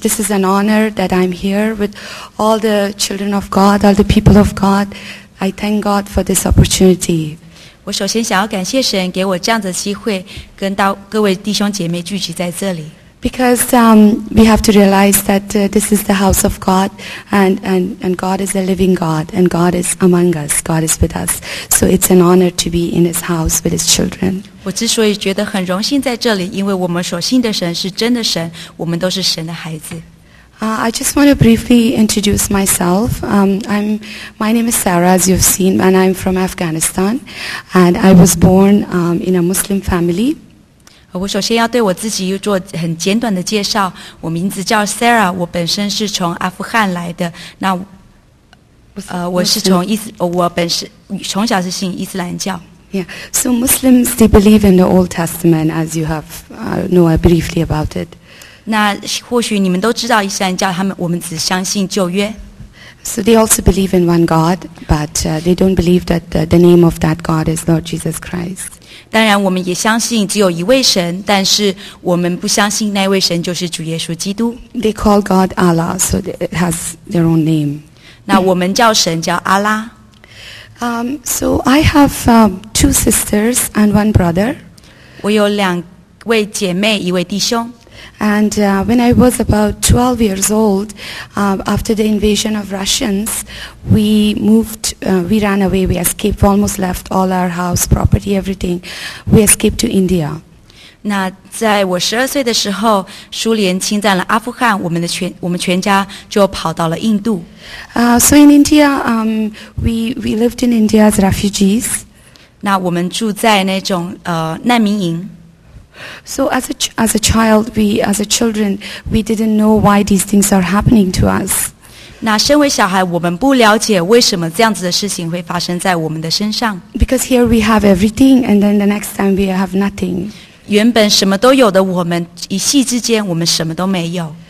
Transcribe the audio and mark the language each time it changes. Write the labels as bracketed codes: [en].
[en] This is an honor that I'm here with all the children of God, all the people of God. I thank God for this opportunity. [zh] 我首先想要感谢神给我这样的机会跟到各位弟兄姐妹聚集在这里。 [en] Because we have to realize that this is the house of God, and God is a living God, and God is among us. God is with us. So it's an honor to be in His house with His children. [zh] 我之所以觉得很荣幸在这里，因为我们所信的神是真的神，我们都是神的孩子。 [en] I just want to briefly introduce myself. My name is Sarah, as you've seen, and I'm from Afghanistan. And I was born in a Muslim family. [zh] 我首先要对我自己做很简短的介绍。我名字叫 Sarah, 我本身是从阿富汗来的。那我是从伊斯，我本身从小是信伊斯兰教。 [en] Yeah, so Muslims, they believe in the Old Testament, as you have know briefly about it. [zh] 那或许你们都知道伊斯兰教他们我们只相信旧约 [en] So they also believe in one God But they don't believe that the name of that God is Lord Jesus Christ [zh] 当然我们也相信只有一位神但是我们不相信那位神就是主耶稣基督 [en] They call God Allah So it has their own name [zh] 那我们叫神叫阿拉 [en] So I have two sisters and one brother [zh] 我有两位姐妹一位弟兄 [en] And when I was about 12 years old, after the invasion of Russians, we moved, we ran away, we escaped, almost left all our house, property, everything. We escaped to India. [zh] 那在我12岁的时候，苏联侵占了阿富汗，我们全家就跑到了印度。 [en] So in India, we lived in India as refugees. [zh] 那我们住在那种难民营。 [en] So as a child, we didn't know why these things are happening to us. [zh] 那身为小孩，我们不了解为什么这样子的事情会发生在我们的身上。 [en] Because here we have everything, and then the next time we have nothing. [zh] 原本什么都有的我们，一夕之间我们什么都没有。